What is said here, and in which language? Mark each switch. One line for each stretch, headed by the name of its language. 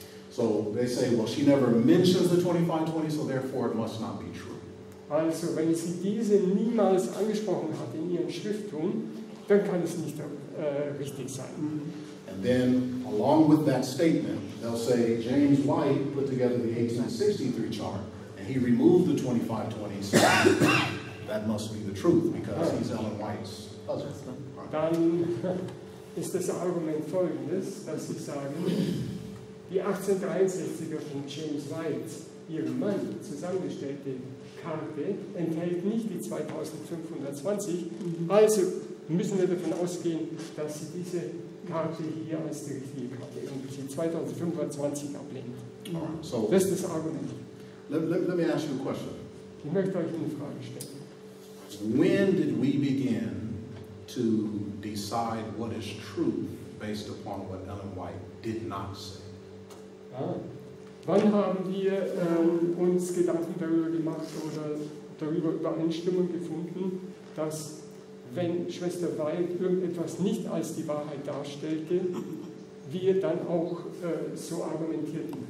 English: So they say, well, she never mentions the 2520, so therefore it must not be true.
German: Also wenn sie diese niemals angesprochen hat in ihrem Schrifttum, dann kann es nicht richtig sein.
English: And then, along with that statement, they'll say, James White put together the 1863 chart, and he removed the 2520, so that must be the truth, because he's Ellen White's husband.
German: Dann ist das Argument folgendes, dass sie sagen, die 1863er von James White, ihrem Mann, zusammengestellte Karte, enthält nicht die 2520, also müssen wir davon ausgehen, dass sie diese Karte hier als die richtige Karte und die 2520 ablehnt.
English: So,
German: das ist das Argument.
English: Let me ask you a question.
German: Ich möchte euch eine Frage stellen.
English: When did we begin to decide what is truth based upon what Ellen White did not say?
German: Wann haben wir uns Gedanken darüber gemacht oder darüber Übereinstimmung gefunden, dass wenn Schwester Weil irgendetwas nicht als die Wahrheit darstellte, wir dann auch so argumentierten.